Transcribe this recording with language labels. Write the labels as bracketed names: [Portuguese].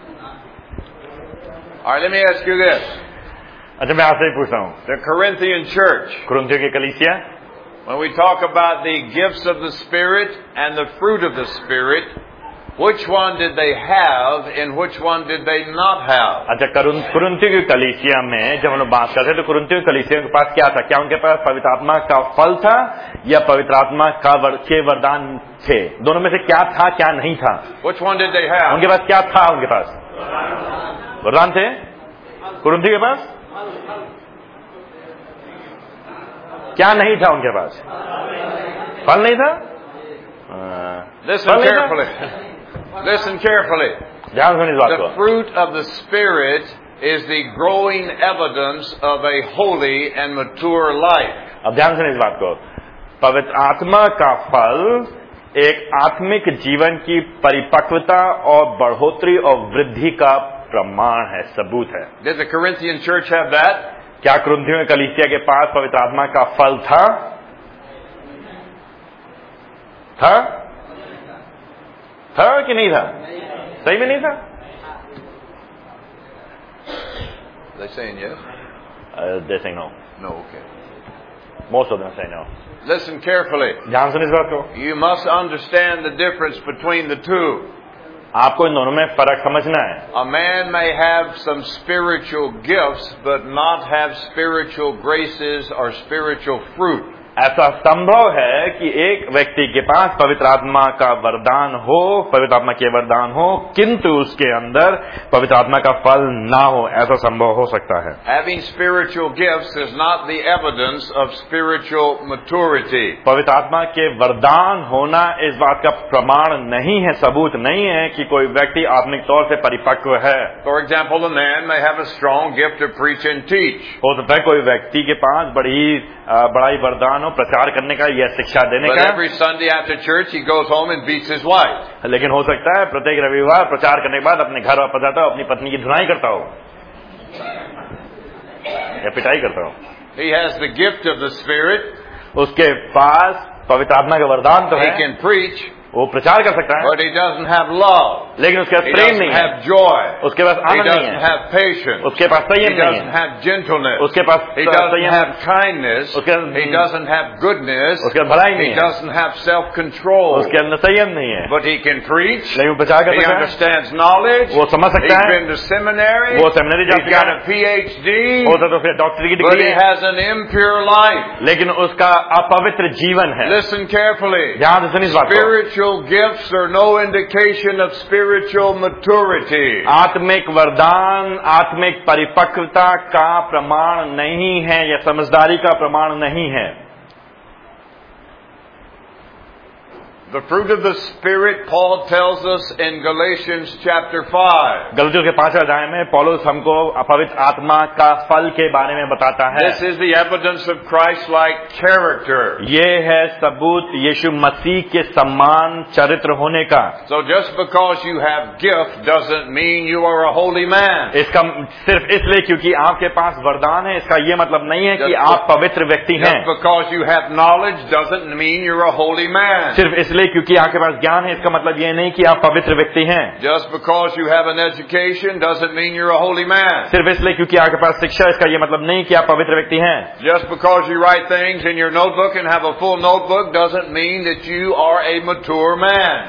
[English] All right, let me ask you this. [Hindi] अच्छा, मैं आपसे ही पूछता हूँ. [English] The Corinthian church. [Hindi] कुरिन्थियों की कलीसिया. [English] When we talk about the gifts of the Spirit and the fruit of the Spirit, which one did they have and which one did they not have? [Hindi] अच्छा, कुरिन्थियों की कलीसिया में जब हम बात करते हैं तो कुरिन्थियों की कलीसिया के पास क्या था? क्या उनके पास पवित्र आत्मा का फल था या पवित्र आत्मा के वरदान थे? दोनों में से क्या था, क्या नहीं था? [English] Which one did they have? [Hindi] उनके पास क्या था? उनके पास वरदान थे. कुरिन्थियों के पास क्या नहीं था? उनके पास फल नहीं था. [English] Listen carefully. Listen carefully. [Hindi] ध्यान सुनिए इस बात को. [English] The fruit of the Spirit is the growing evidence of a holy and mature life. [Hindi] अब ध्यान सुनिए इस बात को. पवित्र आत्मा का फल एक आत्मिक जीवन की परिपक्वता और बढ़ोतरी और वृद्धि का प्रमाण है, सबूत है. [English] Did the Corinthian church have that? [Hindi] क्या कुरिन्थियों कलीसिया के पास पवित्र आत्मा का फल था? था कि नहीं था? सही में नहीं था? [English] They saying yes? They saying no. No, okay. Most of them say no. Listen carefully. [Hindi] ध्यान से इस बात को. [English] You must understand the difference between the two. [Hindi] आपको इन दोनों में फर्क समझना है. [English] A man may have some spiritual gifts, but not have spiritual graces or spiritual fruit. [Hindi] ऐसा संभव है कि एक व्यक्ति के पास पवित्र आत्मा का वरदान हो, पवित्र आत्मा के वरदान हो, किंतु उसके अंदर पवित्र आत्मा का फल ना हो. ऐसा संभव हो सकता है. [English] Having spiritual gifts is not the evidence of spiritual maturity. [Hindi] पवित्र आत्मा के वरदान होना इस बात का प्रमाण नहीं है, सबूत नहीं है कि कोई व्यक्ति आत्मिक तौर से परिपक्व है. [English] For example, a man may have a strong gift to preach and teach. [Hindi] हो सकता है कोई व्यक्ति के पास बड़ा ही वरदान प्रचार करने का या शिक्षा देने का. [English] But every Sunday after church he goes home and beats his wife. [Hindi] लेकिन हो सकता है प्रत्येक रविवार प्रचार करने के बाद अपने घर वापस जाता हो, अपनी पत्नी की धुनाई करता हो या पिटाई करता हो. [English] He has the gift of the Spirit. [Hindi] उसके पास पवित्र आत्मा का वरदान तो है. [English] He can preach. [Hindi] वो प्रचार कर सकता है. [English] But he doesn't have love. [Hindi] लेकिन उसके पास प्रेम नहीं है. [English] Joy. [Hindi] उसके पास आनंद नहीं है. [English] He doesn't have patience. [Hindi] उसके पास संयम नहीं है. [English] He doesn't have gentleness. [Hindi] उसके पास संयम. [English] He doesn't have kindness. He doesn't have goodness. [Hindi] उसके पास भलाई नहीं है. [English] He doesn't have self-control. [Hindi] उसके अंदर संयम नहीं है. [English] But he can preach. [Hindi] लेकिन वो प्रचार कर सकता है. [English] He understands knowledge. [Hindi] वो समझ सकता है. [English] He's been to seminary. [Hindi] वो सेमिनरी जा चुका है. [English] He's got a PhD. [Hindi] वो तो फिर डॉक्टरी की डिग्री है. [English] But he has an impure life. [Hindi] लेकिन उसका अपवित्र जीवन है. [English] Listen carefully. [Hindi] ध्यान से सुनिए इस बात को. [English] Spiritual gifts are no indication of spiritual maturity. [Hindi] आत्मिक वरदान आत्मिक परिपक्वता का प्रमाण नहीं है या समझदारी का प्रमाण नहीं है. [English] The fruit of the Spirit, Paul tells us in Galatians chapter 5. [Hindi] गलतियों के पांचवें अध्याय में पौलुस हमको अपवित्र आत्मा का फल के बारे में बताता है. [English] This is the evidence of Christ-like character. [Hindi] ये है सबूत यीशु मसीह के समान चरित्र होने का. [English] So just because you have gift doesn't mean you are a holy man. [Hindi] इसका सिर्फ इसलिए क्योंकि आपके पास वरदान है इसका ये मतलब नहीं है कि आप पवित्र व्यक्ति हैं. [English] Just because you have knowledge doesn't mean you're a holy man. [Hindi] सिर्फ इसलिए क्योंकि आपके पास ज्ञान है इसका मतलब यह नहीं कि आप पवित्र व्यक्ति हैं. [English] Just because you have an education doesn't mean you are a holy man. [Hindi] सिर्फ इसलिए क्योंकि आपके पास शिक्षा है इसका यह मतलब नहीं कि आप पवित्र व्यक्ति हैं. [English] Just because you write things in your notebook and have a full notebook doesn't mean that you are a mature man.